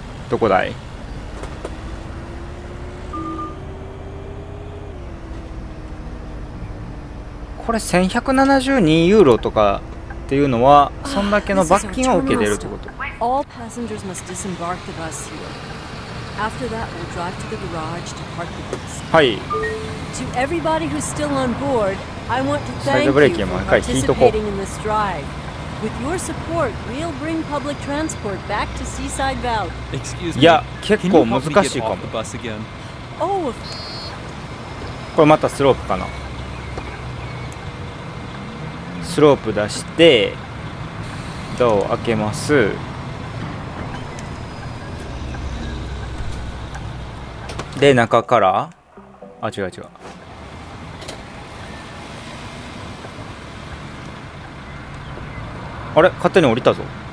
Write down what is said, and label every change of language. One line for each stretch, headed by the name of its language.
Japanese: どこだい。これ1172ユーロとかっていうのはそんだけの罰金を受けてるってこと。
English: All passengers must disembark the bus here. After that, we'll drive to the garage to park the bus.
Japanese: はい。
English: To everybody who's still on board, I want to thank you for participating in this drive. With your support, we'll bring public transport back to Seaside Valley. Excuse me.
Japanese: いや、結構難しいかも。
English: Can you help me get off the bus again? Oh.
Japanese: これまたスロープかな。スロープ出して。ドアを開けます。で、中から、あ、違う違う、あれ、勝手に降りたぞ。